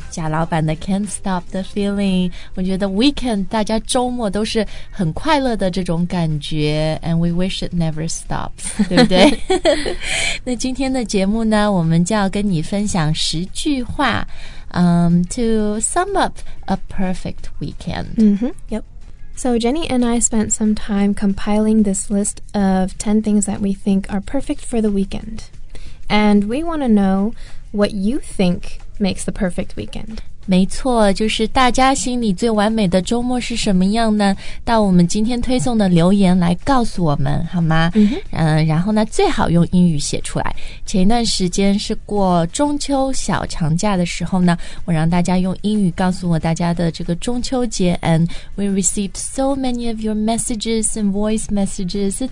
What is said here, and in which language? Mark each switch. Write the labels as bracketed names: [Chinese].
[Chinese] 贾老板的 Can't Stop the Feeling。我觉得 weekend 大家周末都是很快乐的这种感觉， [English] and we wish it never stops， [Chinese] 对不对？那今天的节目呢，我们就要跟你分享十句话， [English] to sum up a perfect weekend. Mm-hmm, yep. So Jenny and I spent some time compiling this list of 10 things that we think are perfect for the weekend. And we want to know what you think makes the perfect weekend. [Chinese] 没错，就是大家心里最完美的周末是什么样呢？到我们今天推送的留言来告诉我们，好吗？然后呢，最好用英语写出来。前一段时间是过中秋小长假的时候呢，我让大家用英语告诉我大家的这个中秋节。 [English] And we received so many of your messages and voice messages.